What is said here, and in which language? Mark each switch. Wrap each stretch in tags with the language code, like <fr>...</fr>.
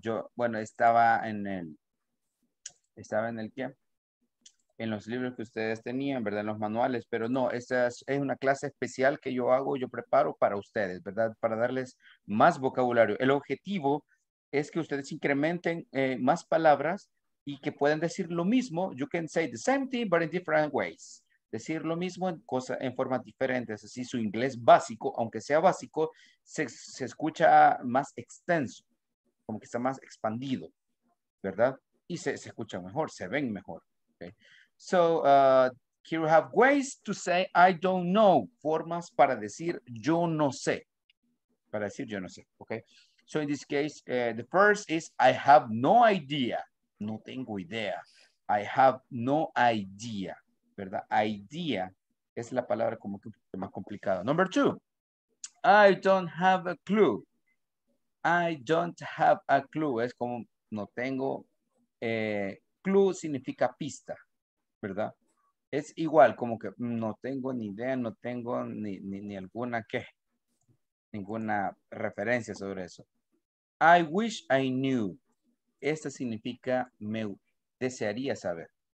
<es>Yo, bueno, estaba en el ¿qué? En los libros que ustedes tenían, ¿verdad? En los manuales, pero no, esta es una clase especial que yo hago, yo preparo para ustedes, ¿verdad? Para darles más vocabulario. El objetivo es que ustedes incrementen más palabras y que puedan decir lo mismo.</es> <en>You can say the same thing, but in different ways.</en> <es>Decir lo mismo en cosas, en formas diferentes. Así su inglés básico, aunque sea básico, se escucha más extenso, como que está más expandido, ¿verdad? Y se escucha mejor, se ven mejor. Okay.</es> <en>So, here we have ways to say I don't know.</en> <es>Formas para decir yo no sé. Para decir yo no sé. Okay.</es> <en>So, in this case, the first is I have no idea.</en> <es>No tengo idea.</es> <en>I have no idea.</en> <es>¿Verdad? Idea es la palabra como que más complicada.</es> <en>Number two, I don't have a clue. I don't have a clue.</en> <es>Es como no tengo clue significa pista, ¿verdad? Es igual, como que no tengo ni idea, no tengo ni alguna qué, ninguna referencia sobre eso.</es> <en>I wish I knew.</en> <es>Esta significa me desearía saber.</es>